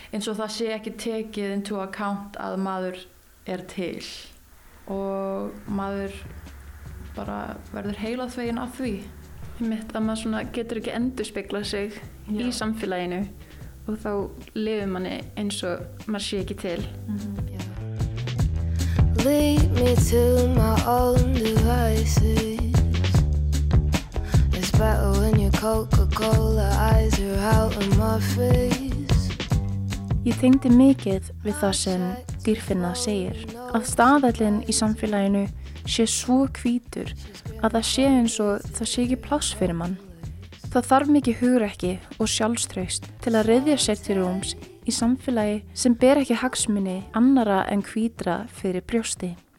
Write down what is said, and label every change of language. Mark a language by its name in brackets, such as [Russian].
[Icelandic] Eins og það sé ekki tekið [English] into account [Icelandic] að maður til. Og maður bara verður heilað þvegin af því. Mitt að maður svona getur ekki endurspeglað sig Já. Í samfélaginu og þá lifir manni eins og maður sé ekki til. [English] Lead me to my own devices. It's better when your Coca-Cola eyes are out of my face. [Icelandic] Ég tengdi mikið við það sem Dýrfinna segir. Að staðallinn í samfélaginu sé svo hvítur að það sé eins og það sé ekki pláss fyrir mann. Það þarf mikið hugrekki og sjálfstraust til að ryðja sér til rúms í samfélagi sem ber ekki hagsmunni annara en hvítra fyrir brjósti.